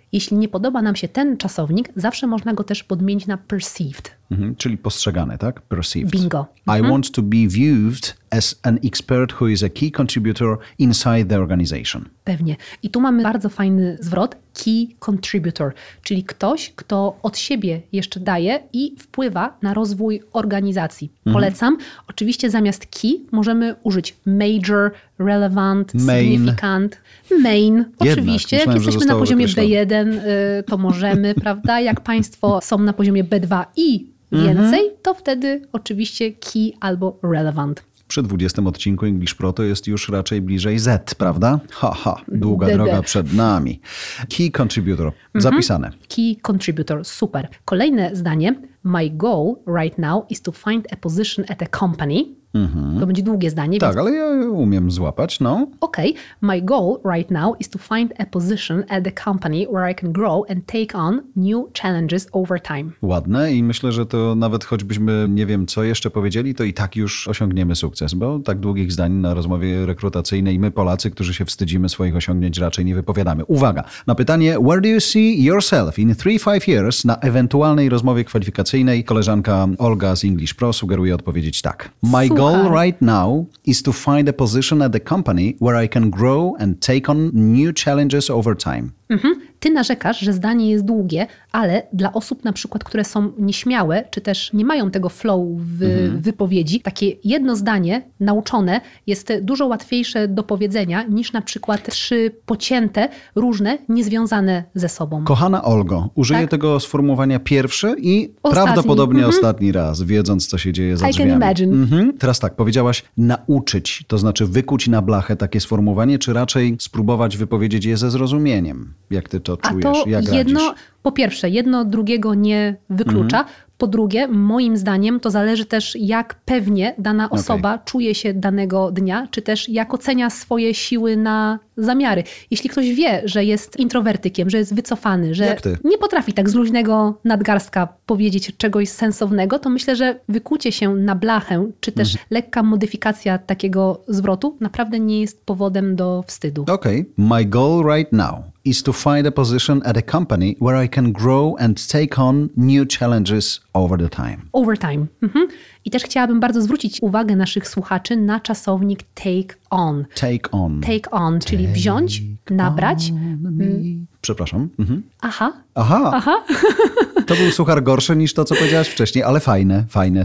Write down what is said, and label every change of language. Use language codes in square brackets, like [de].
[pl] Jeśli nie podoba nam się ten czasownik, zawsze można go też podmienić na perceived. Mm-hmm, czyli postrzegany, tak? [en] Perceived. [pl] Bingo. [en] I want to be viewed as an expert who is a key contributor inside the organization. [pl] Pewnie. I tu mamy bardzo fajny zwrot. Key contributor. Czyli ktoś, kto od siebie jeszcze daje i wpływa na rozwój organizacji. Polecam. Mm-hmm. Oczywiście zamiast key możemy użyć major, relevant, main. [en] Significant. Main. [pl] Jednak, oczywiście. Jak jesteśmy na poziomie B1, to możemy, prawda? Jak państwo są na poziomie B2 i więcej, to wtedy oczywiście key albo relevant. Przy 20 odcinku English Pro to jest już raczej bliżej Z, prawda? Ha, ha, długa droga przed nami. Key contributor, zapisane. Key contributor, super. Kolejne zdanie. My goal right now is to find a position at a company. To będzie długie zdanie. Tak, więc... ale ja umiem złapać, no. [en] Okay, my goal right now is to find a position at the company where I can grow and take on new challenges over time. [pl] Ładne i myślę, że to nawet choćbyśmy nie wiem co jeszcze powiedzieli, to i tak już osiągniemy sukces, bo tak długich zdań na rozmowie rekrutacyjnej my Polacy, którzy się wstydzimy swoich osiągnięć, raczej nie wypowiadamy. Uwaga, na pytanie [en] where do you see yourself in 3-5 years [pl] na ewentualnej rozmowie kwalifikacyjnej koleżanka Olga z English Pro sugeruje odpowiedzieć tak. [en] My goal right now is to find a position at the company where I can grow and take on new challenges over time. Mm-hmm. [pl] Ty narzekasz, że zdanie jest długie, ale dla osób na przykład, które są nieśmiałe, czy też nie mają tego flow w wypowiedzi, takie jedno zdanie nauczone jest dużo łatwiejsze do powiedzenia niż na przykład trzy pocięte, różne, niezwiązane ze sobą. Kochana Olgo, użyję tego sformułowania pierwszy i ostatni. Prawdopodobnie ostatni raz, wiedząc co się dzieje za drzwiami. [en] I can imagine. [pl] Teraz tak, powiedziałaś nauczyć, to znaczy wykuć na blachę takie sformułowanie, czy raczej spróbować wypowiedzieć je ze zrozumieniem, jak ty to czujesz, a to jak jedno, radzisz? Po pierwsze, jedno drugiego nie wyklucza. Po drugie, moim zdaniem to zależy też, jak pewnie dana osoba czuje się danego dnia, czy też jak ocenia swoje siły na zamiary. Jeśli ktoś wie, że jest introwertykiem, że jest wycofany, że nie potrafi tak z luźnego nadgarstka powiedzieć czegoś sensownego, to myślę, że wykucie się na blachę, czy też lekka modyfikacja takiego zwrotu naprawdę nie jest powodem do wstydu. Okej. [en] My goal right now is to find a position at a company where I can grow and take on new challenges over the time. Over time. [pl] I też chciałabym bardzo zwrócić uwagę naszych słuchaczy na czasownik take on. [en] Take on. [pl] Take on, czyli wziąć, nabrać. Przepraszam. Mhm. Aha. Aha. Aha. To był suchar gorszy niż to, co powiedziałaś wcześniej, ale fajne, fajne.